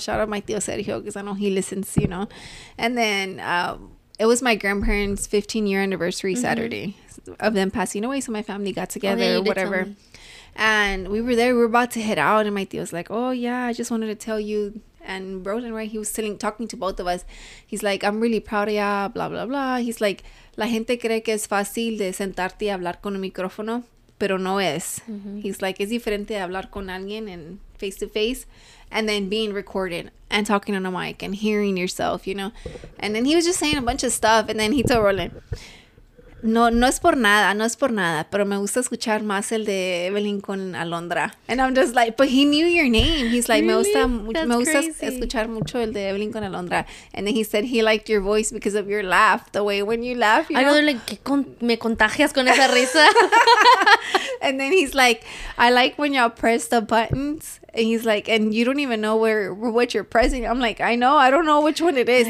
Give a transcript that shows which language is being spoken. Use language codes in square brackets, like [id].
[en] Shout out my tío Sergio because I know he listens, you know. And then it was my grandparents' 15-year anniversary mm-hmm. Saturday of them passing away. So my family got together or whatever. And we were there. We were about to head out. And my tío was like, oh, yeah, I just wanted to tell you. And Roland, right, he was telling, talking to both of us. He's like, I'm really proud of ya, blah, blah, blah. He's like, [es] la gente cree que es fácil de sentarte y hablar con un micrófono. Pero no es. Mm-hmm. [en] He's like, [es] es diferente hablar con alguien [en] and face to face and then being recorded and talking on a mic and hearing yourself, you know. And then he was just saying a bunch of stuff. And then he told Roland, [es] no es por nada, pero me gusta escuchar más el de Evelyn con Alondra. [en] And I'm just like, but he knew your name. He's like, really? [es] me gusta escuchar mucho el de Evelyn con Alondra. [en] And then he said he liked your voice because of your laugh, the way when you laugh, you know. I know, like, [es] ¿qué me contagias con esa risa? [en] And then he's like, I like when y'all press the buttons. And he's like, and you don't even know what you're pressing. I'm like, I know. I don't know which one it is.